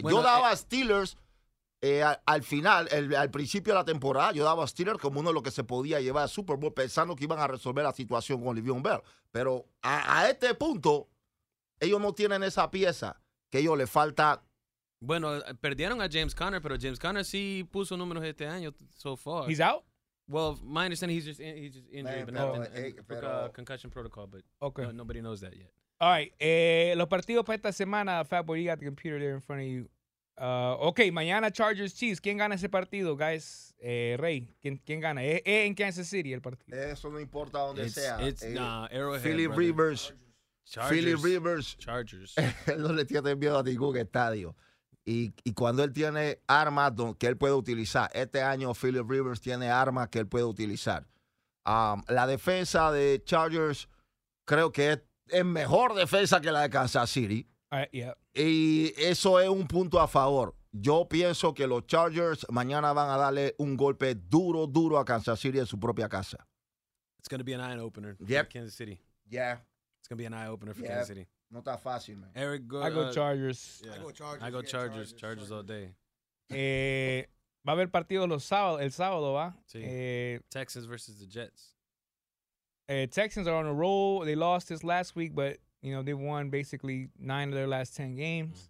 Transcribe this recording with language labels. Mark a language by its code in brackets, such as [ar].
[es] Bueno, yo daba a Steelers al principio de la temporada, yo daba a Steelers como uno de los que se podía llevar al Super Bowl pensando que iban a resolver la situación con Le'Veon Bell. Pero a este punto, ellos no tienen esa pieza que ellos le falta Bueno, perdieron a James Conner, pero James Conner sí puso números este año [en] so far. He's out? Well, my understanding, he's just injured, man, but not concussion protocol, but okay. No, nobody knows that yet. All right. [es] Los partidos para esta semana, [en] Fatboy, you got the computer there in front of you. [es] Okay, mañana Chargers Chiefs. ¿Quién gana ese partido, guys? Rey, ¿quién gana? ¿Es en Kansas City el partido? Eso no importa donde [en] it's, [es] sea. [en] It's, Arrowhead, Philip Rivers. Philip Rivers. Chargers. [es] Él no le tiene miedo a ningún estadio. Y cuando él tiene armas que él puede utilizar, este año Philip Rivers tiene armas que él puede utilizar. La defensa de Chargers creo que es mejor defensa que la de Kansas City. [en] Yeah. [es] Y eso es un punto a favor. Yo pienso que los Chargers mañana van a darle un golpe duro, duro a Kansas City en su propia casa. [en] It's going to be an eye-opener for Kansas City. Yeah. It's going to be an eye-opener for Kansas City. [es] No está fácil, man. [en] Eric, go, I go Chargers. Yeah. I go Chargers. I go Chargers. Chargers, Chargers all day. [es] Va a haber partido los sábados, el sábado, ¿va? [en] Sí. Texans versus the Jets. Texans are on a roll. They lost this last week, but, you know, they've won basically 9 of their last 10 games.